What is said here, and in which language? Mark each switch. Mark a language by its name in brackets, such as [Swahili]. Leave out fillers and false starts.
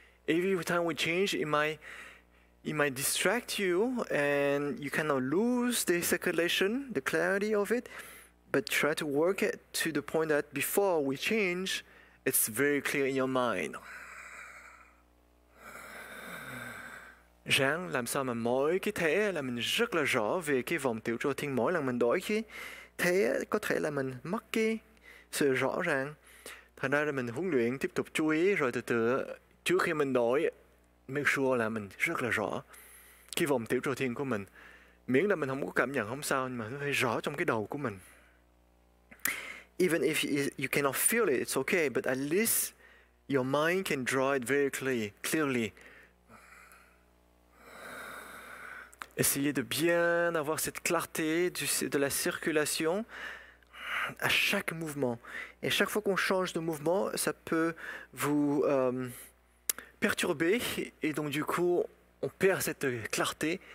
[English] Every time we change, it might distract you and you cannot lose the circulation, the clarity of it. But try to work it to the point that before we change, it's very clear in your mind. [Vietnamese] Jang làm sao mà mỗi cái thế là mình rất là rõ về cái vòng tiểu châu thiên mỗi lần mình đổi khi thế có thể là mình mất cái sự rõ ràng. Thành ra là mình huấn luyện tiếp tục chú ý rồi từ từ trước khi mình đổi, [English] make sure [Vietnamese] là mình rất là rõ cái vòng tiểu châu thiên của mình. Miễn là mình không có cảm nhận không sao, nhưng mà nó phải rõ trong cái đầu của mình. [English] Even if you cannot feel it, it's okay, but at least your mind can draw it very clearly. [French] Essayez de bien avoir cette clarté de la circulation à chaque mouvement. Et chaque fois qu'on change de mouvement, ça peut vous perturber, et donc du coup, on perd cette clarté.